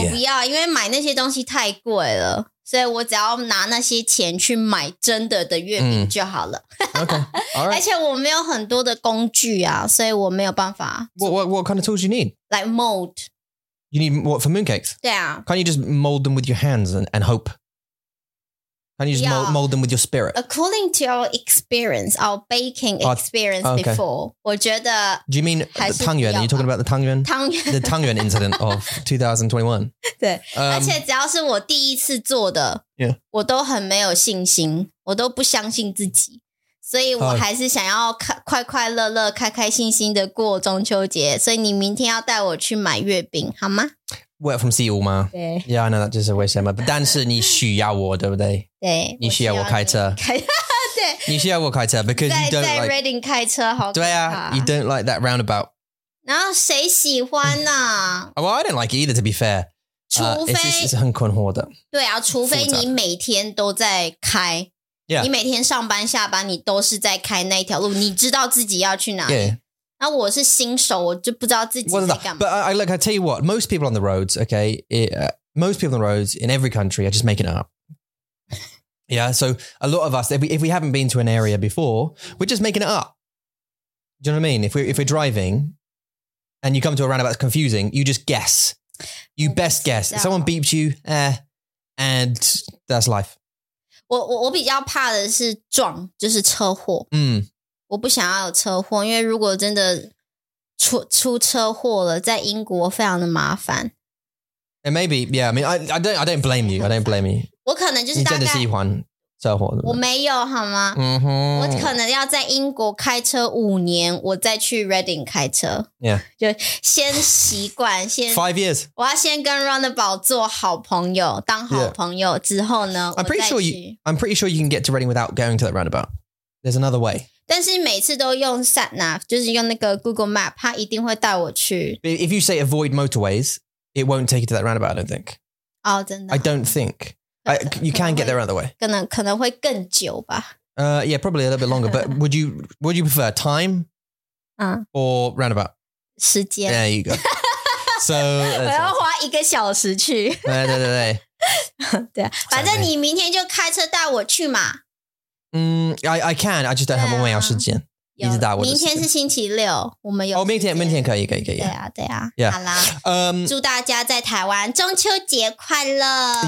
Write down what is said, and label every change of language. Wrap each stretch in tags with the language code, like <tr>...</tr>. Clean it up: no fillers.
<zh>我不要，因为买那些东西太贵了，所以我只要拿那些钱去买真的月饼就好了。</zh> <en>Okay. All right.</en> <zh>而且我没有很多的工具啊，所以我没有办法。</zh> <en>What kind of tools you need? Like mold. You need what for mooncakes? Yeah. Can't you just mold them with your hands and hope? And you just mold them with your spirit. According to our experience, our baking experience okay.</en> <zh>before, 我觉得</zh> <en>Do you mean the 汤圆?Are you talking about the 汤圆?</en> <zh>汤圆</zh> <en>The 汤圆 incident of 2021.</en> <zh>对，而且只要是我第一次做的，我都很没有信心，我都不相信自己，所以我还是想要快快乐乐、开开心心的过中秋节。所以你明天要带我去买月饼，好吗？</zh> <en>Work from CEO 吗</en> <zh>对</zh> <en>Yeah, I know that just a way say, but</en> <zh>但是你需要我对不对对你需要我开车对你需要我开车</zh> <en>because you don't like</en> <zh>在 Reading 开车好可怕对啊</zh> <en>You don't like that roundabout</en> <zh>然后谁喜欢呢、</zh> <en>oh, Well, I don't like it either to be fair</en> <zh>除非、 it's 很困惑的对啊除非你每天都在开</zh> <en>Yeah</en> <zh>你每天上班下班你都是在开那条路你知道自己要去哪里、</zh> <en>yeah.</en> <zh>那我是新手，我就不知道自己在干嘛。</zh> <en>But I look, I tell you what, most people on the roads, okay, most people on the roads in every country are just making it up. Yeah, so a lot of us, if we haven't been to an area before, we're just making it up. Do you know what I mean? If we're driving and you come to a roundabout that's confusing, you just guess. You best guess. Someone beeps you, and that's life.</en> <zh>我比较怕的是撞，就是车祸。嗯，我不想要有车祸，因为如果真的出车祸了，在英国非常的麻烦。</zh> <en>And maybe, yeah, I mean, I don't blame you. I don't blame you.</en> <zh>我可能就是大概你真的喜欢车祸的。我没有好吗？嗯哼，我可能要在英国开车五年，我再去 Reading 开车。</zh> <en>Yeah,</en> <zh>就先习惯，先</zh> <en>5 years.</en> <zh>我要先跟 Roundabout 做好朋友，当好朋友、yeah. 之后呢</zh> <en>I'm pretty sure you can get to Reading without going to that Roundabout. There's another way.</en> <zh>但是每次都用 sat nav， 就是用那个 Google Map， 它一定会带我去。</zh> <en>If you say avoid motorways. It won't take you to that roundabout, I don't think.</en> <zh>Oh, 真的?</zh> <en>I don't think. You can get there another way.</en> <zh>可能会更久吧。</zh> <en>Yeah, probably a little bit longer, but would you prefer time or roundabout?</en> <zh>时间。</zh> <en>There you go. So,</en> <zh>我要花一个小时去。对对对对。对啊，反正你明天就开车带我去嘛。</zh> <en>I can, I just don't have 1 hour</en> <zh>时间。一直打我明天是星期六，我们有哦，明天可以，可以，可以。对啊，对啊， yeah. 好啦，祝大家在台湾中秋节快乐。</zh>